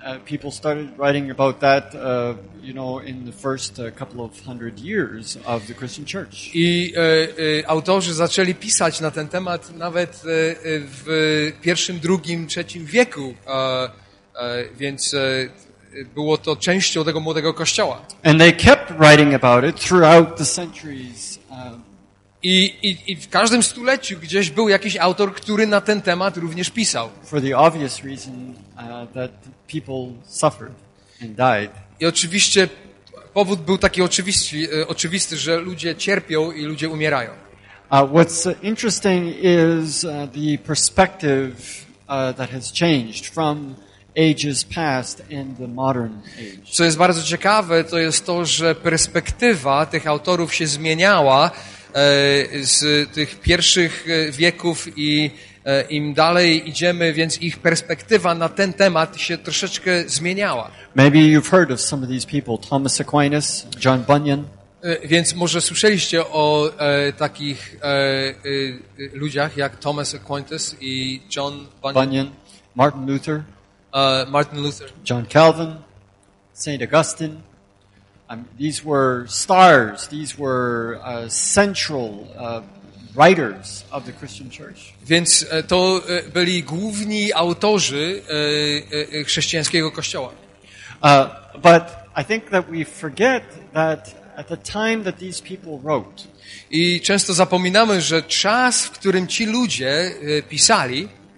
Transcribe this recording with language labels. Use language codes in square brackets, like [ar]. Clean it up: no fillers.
[en] People started writing about that, you know, in the first couple of hundred years of the Christian Church. [pl] I autorzy zaczęli pisać na ten temat nawet w pierwszym, drugim, trzecim wieku, więc było to częścią tego młodego kościoła. [en] And they kept writing about it throughout the centuries. [pl] I w każdym stuleciu gdzieś był jakiś autor, który na ten temat również pisał. [en] For the obvious reason that people suffered and died. [pl] I oczywiście powód był taki oczywisty, że ludzie cierpią i ludzie umierają. [en] What's interesting is the perspective that has changed from ages past and the modern age. [pl] Co jest bardzo ciekawe, to jest to, że perspektywa tych autorów się zmieniała z tych pierwszych wieków i im dalej idziemy, więc ich perspektywa na ten temat się troszeczkę zmieniała. [en] Maybe you've heard of some of these people, Thomas Aquinas, John Bunyan. [pl] Więc może słyszeliście o takich ludziach jak Thomas Aquinas i John Bunyan, [en] Martin Luther. [pl] Martin Luther, [en] John Calvin, Saint Augustine. These were stars. These were central writers of the Christian Church. [pl] Więc to byli główni autorzy chrześcijańskiego kościoła. [en] But I think that we forget that at the time that these people wrote. [pl] I często zapominamy, że czas, w którym ci ludzie pisali,